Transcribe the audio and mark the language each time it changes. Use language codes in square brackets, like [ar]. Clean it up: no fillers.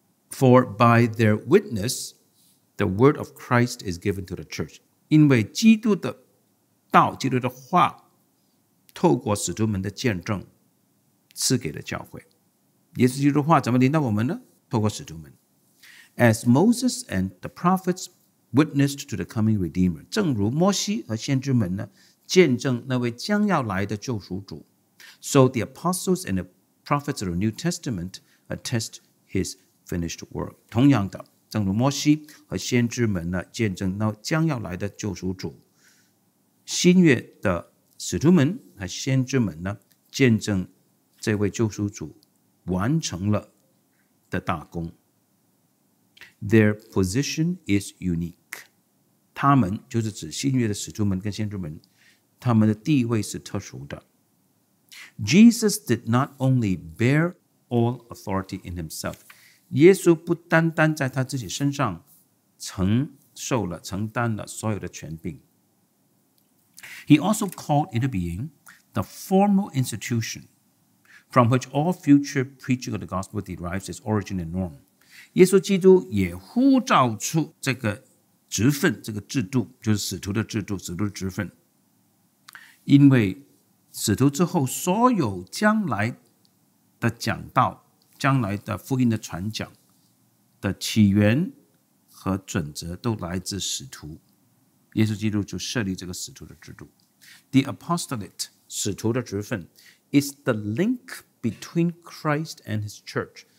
[en] For by their witness the word of Christ is given to the church， [zh] 因为基督的道，基督的话透过使徒们的见证赐给了教会。耶稣基督的话怎么临到我们呢？透过使徒们。 [en] As Moses and the prophets witnessed to the coming Redeemer， [zh] 正如摩西和先知们呢见证那位将要来的救赎主， [en] So the apostles and the prophets of the New Testament attest his finished work。 [zh] 同样的，正如摩西和先知们呢见证那将要来的救赎主，新约的使徒们和先知们呢见证这位救赎主完成了的大功。 [en] Their position is unique. [zh] 他们就是指新约的使徒们跟先知们，他们的地位是特殊的。 [en] Jesus did not only bear all authority in himself. [zh] 耶稣不单单在他自己身上承受了、承担了所有的权柄。 [en] He also called into being the formal institution from which all future preaching of the gospel derives its origin and norm. [zh] 耶稣基督也呼召出这个职分、这个制度，就是使徒的制度、使徒的职分。因为使徒之后所有将来的讲道、将来的福音的传讲的起源和准则都来自使徒，耶稣基督就设立这个使徒的制度。 [en] The apostolate [zh] 使徒的职分 [en] is the link between Christ and his church.